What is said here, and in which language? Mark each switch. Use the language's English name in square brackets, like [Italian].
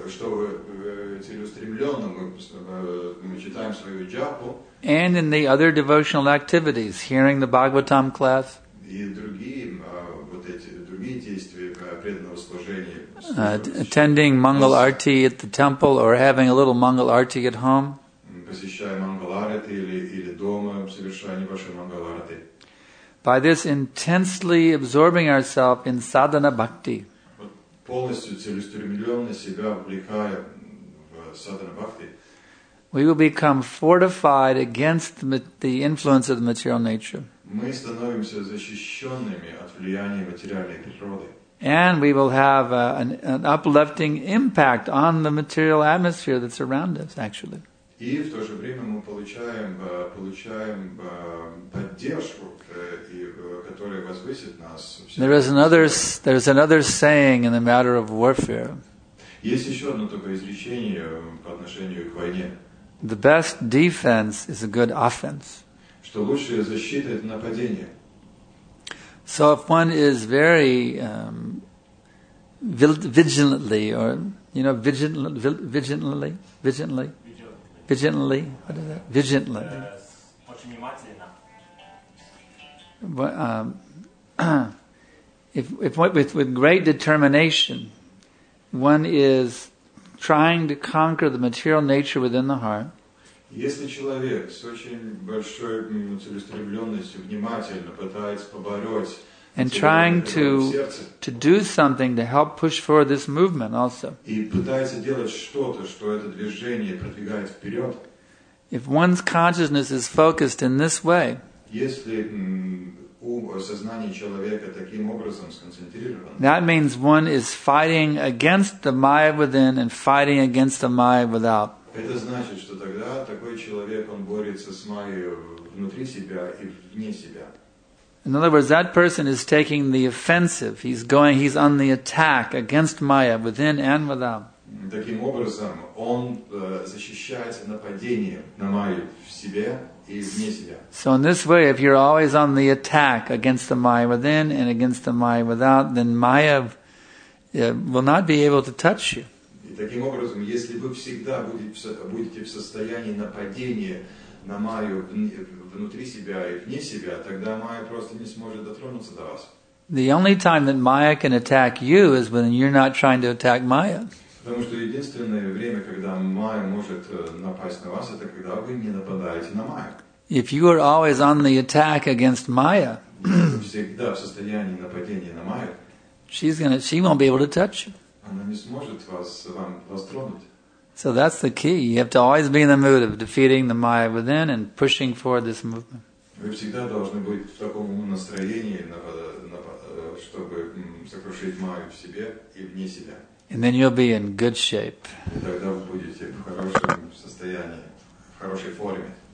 [Russian] что целеустремленно мы читаем свою джапу. [English] And in the other devotional activities, hearing the Bhagavatam class. [Russian] И другие вот эти другие действия преданного служения. [English] Attending Mangal Arti at the temple or having a little Mangal Arti at home. [Russian] Посещая Mangal Arti или дома, совершая небольшой Mangal Arti. [English] By this intensely absorbing ourselves in sadhana bhakti. [Russian] Полностью целеустремленно себя вовлекая в садхана бхакти. [English] We will become fortified against the influence of the material nature. [Russian] Мы становимся защищенными от влияния материальной природы. [English] And we will have an uplifting impact on the material atmosphere that's around us, actually. [Russian] И в то же время мы получаем поддержку, которая возвысит нас. [English] There is another saying in the matter of warfare. [Russian] Есть еще одно такое изречение по отношению к войне. [English] The best defense is a good offense. [Russian] Что лучшая защита – это нападение. [English] So if one is very vigilantly, or, you know, vigilantly, what is that? Vigilantly. [Russian] Очень внимательно. [English] If with great determination, one is trying to conquer the material nature within the heart, [Russian] если человек с очень большой целеустремленностью внимательно пытается побороть [English] and trying to do something to help push forward this movement also. [Russian] И пытается делать что-то, что это движение продвигает вперед. [English] If one's consciousness is focused in this way, [Russian] если сознание человека таким образом сконцентрировано, [English] that means one is fighting against the Maya within and fighting against the Maya without. [Russian] Это значит, что тогда такой человек, он борется с Майей внутри себя и вне себя. [English] In other words, that person is taking the offensive. He's on the attack against Maya within and without. [Russian] Таким образом, он защищает нападение на Майю в себе и вне себя. [English] So in this way, if you're always on the attack against the Maya within and against the Maya without, then Maya will not be able to touch you. [Russian] И таким образом, если вы всегда будете в состоянии нападения на Майю внутри себя и вне себя, тогда Майя просто не сможет дотронуться до вас. [English] The only time that Maya can attack you is when you're not trying to attack Maya. [Russian] Потому что единственное время, когда Майя может напасть на вас, это когда вы не нападаете на Майю. [English] If you are always on the attack against Maya, [Russian] всегда в состоянии нападения на Майю, [English] she won't be able to touch you. [Russian] Она не сможет вас тронуть. [English] So that's the key. You have to always be in the mood of defeating the Maya within and pushing forward this movement. [Russian] Вы всегда должны быть в таком настроении, чтобы сокрушить Майю в себе и вне себя. [English] And then you'll be in good shape. [Russian] И тогда вы будете в хорошем состоянии, в хорошей форме.